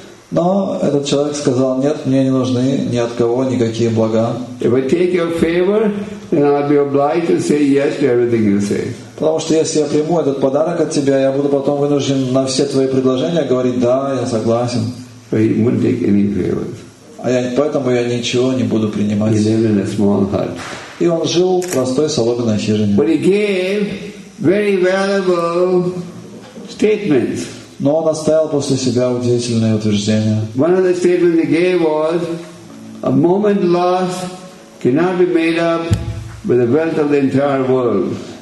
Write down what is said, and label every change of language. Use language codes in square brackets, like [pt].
[ru] Но этот человек сказал, нет, мне не нужны ни от кого никакие блага. [en] If I take your favor, then I'll be obliged to say yes to everything you say. [ru] Потому что если я приму этот подарок от тебя, я буду потом вынужден на все твои предложения говорить, да, я согласен. [en] But he won't take any favors. [ru] А я, поэтому я ничего не буду принимать. [en] He lived in a small hut. [ru] И он жил в простой соломенной хижине. [en] But he gave very valuable statements. [ru] Но он оставил после себя удивительное утверждение. [en] One of the statements he gave was, a moment lost cannot be made up with the wealth of the entire world.